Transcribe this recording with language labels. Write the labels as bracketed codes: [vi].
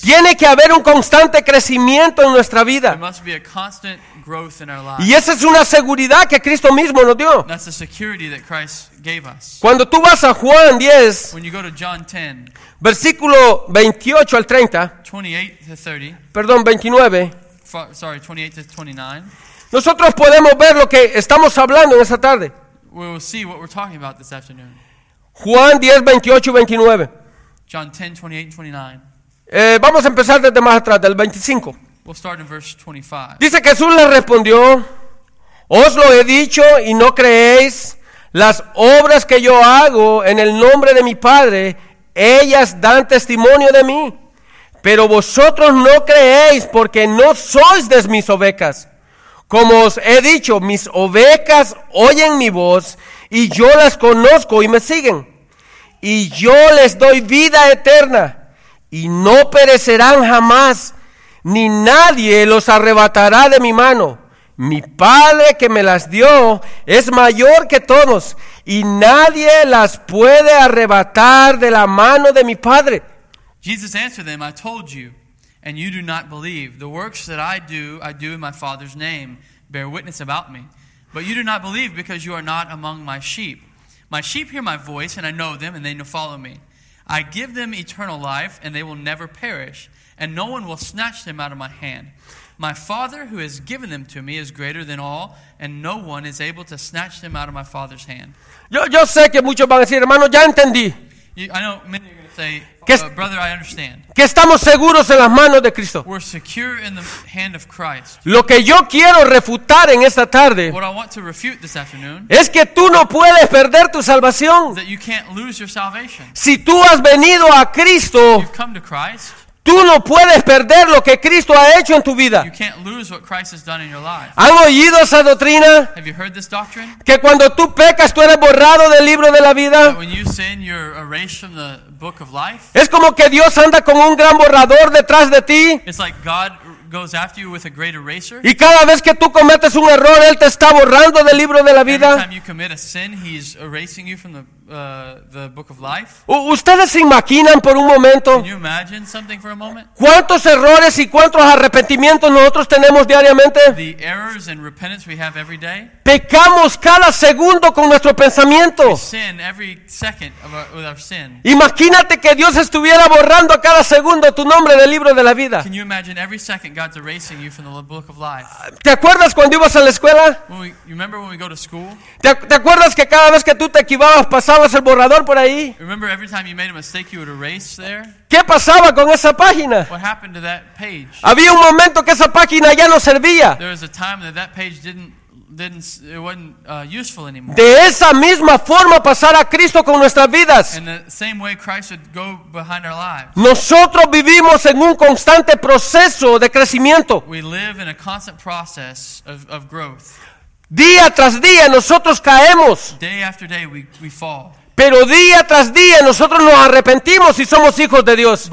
[es] Tiene que haber un constante crecimiento en nuestra vida. [en] There must be a constant growth in our lives. [es] Y esa es una seguridad que Cristo mismo nos dio. [en] That's the security that Christ gave us. [es] Cuando tú vas a Juan 10, [en] when you go to John 10, [es] versículo 28 al 30, [en] 28-30, [es] perdón, 29, [en] sorry, 28-29, [es] nosotros podemos ver lo que estamos hablando en esta tarde. [en] We will see what we're talking about this afternoon. [es] Juan 10, 28 y 29. [en] John 10, 28-29. [es] Vamos a empezar desde más atrás, del 25. [en] We'll start in verse 25. [es] Dice Jesús le respondió, os lo he dicho y no creéis, las obras que yo hago en el nombre de mi Padre, ellas dan testimonio de mí, pero vosotros no creéis porque no sois de mis ovejas. Como os he dicho, mis ovejas oyen mi voz y yo las conozco y me siguen. Y yo les doy vida eterna y no perecerán jamás, ni nadie los arrebatará de mi mano. Mi Padre que me las dio es mayor que todos y nadie las puede arrebatar de la mano de mi Padre. [en] Jesus answered them, I told you. And you do not believe. The works that I do in my Father's name, bear witness about me. But you do not believe because you are not among my sheep. My sheep hear my voice, and I know them, and they follow me. I give them eternal life, and they will never perish, and no one will snatch them out of my hand. My Father who has given them to me is greater than all, and no one is able to snatch them out of my Father's hand. [es] Yo sé que muchos van a decir, hermano, ya entendí. [en] I know many of you are going to say, they, brother, I understand. [es] Que estamos seguros en las manos de Cristo. [en] We're secure in the hand of Christ. [es] Lo que yo quiero refutar en esta tarde, [en] what I want to refute this afternoon, [es] es que tú no puedes perder tu salvación. [en] That you can't lose your salvation. [es] Si tú has venido a Cristo, [en] you've come to Christ, [es] tú no puedes perder lo que Cristo ha hecho en tu vida. [en] You can't lose what Christ has done in your life. [es] ¿Han oído esa doctrina? [en] Have you heard this doctrine? [es] Que cuando tú pecas, tú eres borrado del libro de la vida. [en] That when you sin, you're erased from the book of life. [es] Es como que Dios anda con un gran borrador detrás de ti. [en] It's like God goes after you with a great eraser. [es] Y cada vez que tú cometes un error, Él te está borrando del libro de la vida. [en] Every time you commit a sin, He's erasing you from the book of life. [es] ¿Ustedes se imaginan por un momento? [en] Can you imagine something for a moment? [es] ¿Cuántos errores y cuántos arrepentimientos nosotros tenemos diariamente? [en] The errors and repentance we have every day. [es] Pecamos cada segundo con nuestro pensamiento. [en] We sin every second of our sin. [es] Imagínate que Dios estuviera borrando a cada segundo tu nombre del libro de la vida. [en] Can you imagine every second God's erasing you from the book of life? [es] ¿Te acuerdas cuando ibas a la escuela? [en] You remember when we go to school? [es] ¿Te acuerdas que cada vez que tú te equivocabas pasabas el borrador por ahí? [en] Remember every time you made a mistake, you would erase there? [es] ¿Qué pasaba con esa página? [en] What happened to that page? [es] Había un momento que esa página ya no servía. [en] There was a time that that page didn't it wasn't useful anymore. [es] De esa misma forma pasar a Cristo con nuestras vidas. [en] In the same way Christ would go behind our lives. [es] Nosotros vivimos en un constante proceso de crecimiento. [en] We live in a constant process of growth. [es] Día tras día nosotros caemos. [en] Day after day we fall. [es] Pero día tras día nosotros nos arrepentimos y somos hijos de Dios.